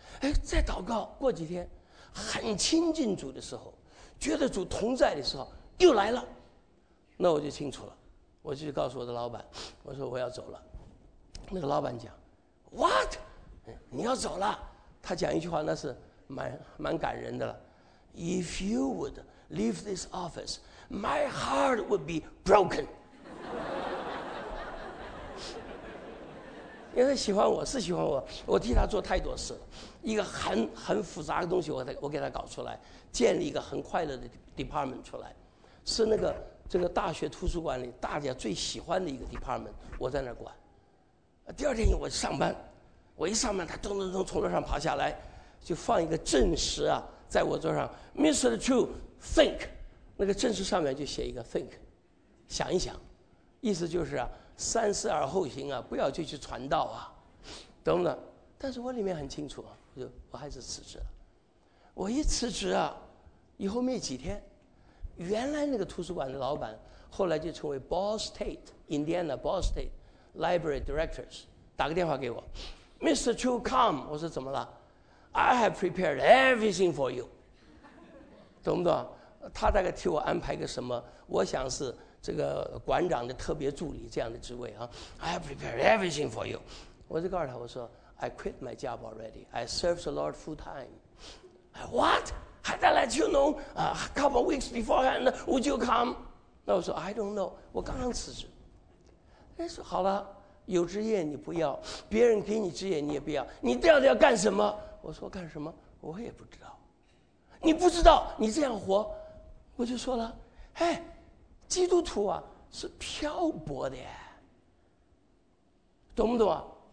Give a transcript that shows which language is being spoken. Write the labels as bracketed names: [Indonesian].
[Chinese] 哎，再祷告过几天很亲近主的时候，觉得主同在的时候又来了，那我就清楚了，我就告诉我的老板，我说我要走了。那个老板讲 [English] What? [Chinese] 你要走了，他讲一句话，那是蛮感人的了。 [English] If you would leave this office, my heart would be broken. [Chinese] 因为他喜欢我，是喜欢我，我替他做太多事了，一个很复杂的东西，我给他搞出来，建立一个很快乐的 department 出来，是那个这个大学图书馆里大家最喜欢的一个 department， 我在那儿管。第二天我上班。我一上班，他咚咚咚从楼上爬下来，就放一个证实啊，在我桌上 ，Mr. Chu think， 那个证实上面就写一个 think， 想一想，意思就是啊，三思而后行啊，不要就去传道啊，懂不懂？但是我里面很清楚啊，我还是辞职了。我一辞职啊，以后没几天，原来那个图书馆的老板后来就成为 Ball State Indiana Ball State Library Directors， 打个电话给我。 [English] Mr. Chu, come. [Chinese] 我说怎么了 [English] ？I have prepared everything for you. [Chinese] 懂不懂？他大概替我安排个什么？我想是这个馆长的特别助理这样的职位啊。 [English] I have prepared everything for you. [Chinese] 我就告诉他，我说 [English] I quit my job already. I serve the Lord full time. What? Had I let you know a couple of weeks beforehand, would you come? [Chinese] 那我说 [English] I don't know. [Chinese] 我刚刚辞职。他说好了。有职业你不要，别人给你职业你也不要，你到底要干什么？我说干什么？我也不知道。你不知道，你这样活，我就说了，哎，基督徒啊是漂泊的，懂不懂啊？